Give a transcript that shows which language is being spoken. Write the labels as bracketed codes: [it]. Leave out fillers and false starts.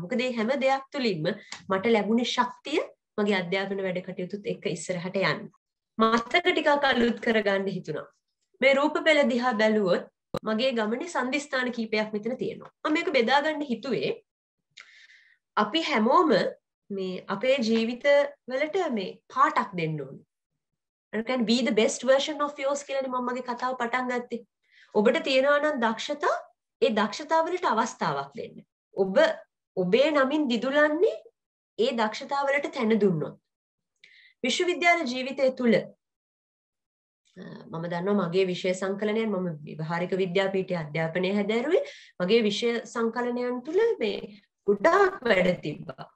[si] මොකද මේ හැම දෙයක් තුළින්ම මට ලැබුණේ ශක්තිය මගේ අධ්‍යාපන වැඩ කටයුතුත් එක්ක ඉස්සරහට යන්න. මතක ටිකක් අලුත් කරගන්න හිතුණා. මේ රූප පෙළ දිහා බැලුවොත් මගේ ගමනේ සම්දිස්ථාන කීපයක් මෙතන තියෙනවා. මම මේක බෙදාගන්න හිතුවේ අපි හැමෝම මේ අපේ ජීවිත වලට මේ පාටක් දෙන්න ඕනේ. [en] You can be the best version of yours [si] කියලා මම මගේ කතාව පටන් ගත්තේ. ඔබට තියනවා නම් දක්ෂතා, ඒ දක්ෂතාවලට අවස්ථාවක් දෙන්න. ඔබ ඔබේ නමින් දිදුලන්නේ ඒ දක්ෂතාවලට තැන දුන්නොත්. විශ්වවිද්‍යාල ජීවිතය තුළ මම දන්නවා මගේ විෂය සංකලනයෙන් මම විභාරික විද්‍යාපීඨයේ අධ්‍යාපනය හැදෑරුවේ මගේ විෂය සංකලනයන් තුළ මේ ගොඩාක් වැඩ තිබ්බා.